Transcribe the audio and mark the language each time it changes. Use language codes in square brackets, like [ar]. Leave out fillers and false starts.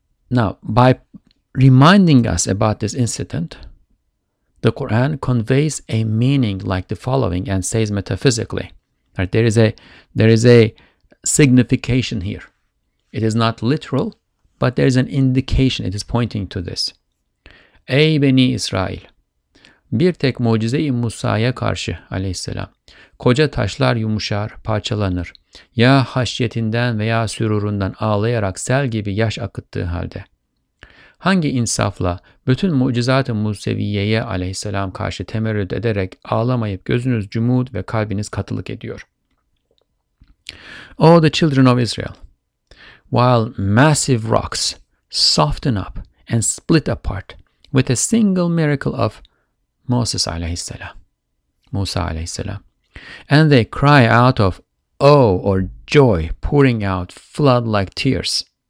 [en] Now, by reminding us about this incident, the Quran conveys a meaning like the following and says metaphysically, right? There is a signification here. It is not literal, but there is an indication. It is pointing to this. [tr] Ey Beni İsrail! Bir tek mucize-i Musa'ya karşı aleyhisselam, koca taşlar yumuşar, parçalanır. Ya haşyetinden veya sürurundan ağlayarak sel gibi yaş akıttığı halde. Hangi insafla bütün mucizat-ı Museviye'ye aleyhisselam karşı temerrüt ederek ağlamayıp gözünüz cumud ve kalbiniz katılık ediyor? [en] O, the children of Israel, while massive rocks soften up and split apart with a single miracle of Moses alayhi salam, Musa alayhi salam, and they cry out of awe or joy, pouring out flood-like tears.